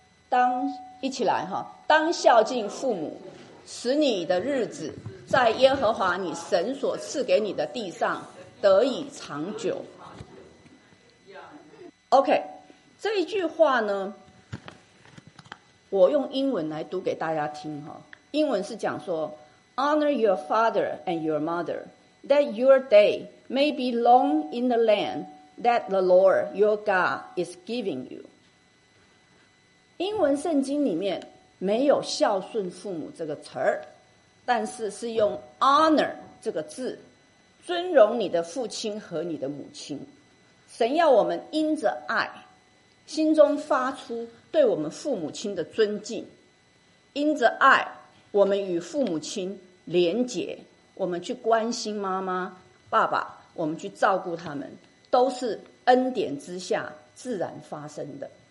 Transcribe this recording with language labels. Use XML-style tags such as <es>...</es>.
<zh>当一起来哈，当孝敬父母，使你的日子在耶和华你神所赐给你的地上得以长久。 OK， 这一句话呢，我用英文来读给大家听哈。英文是讲说</zh> <en>，Honor your father and your mother, that your day may be long in the land that the Lord your God is giving you。</en> <zh>英文圣经里面没有孝顺父母这个词儿，但是是用 honor 这个字，尊荣你的父亲和你的母亲。神要我们因着爱，心中发出对我们父母亲的尊敬，因着爱，我们与父母亲连结，我们去关心妈妈、爸爸，我们去照顾他们，都是恩典之下自然发生的。</zh>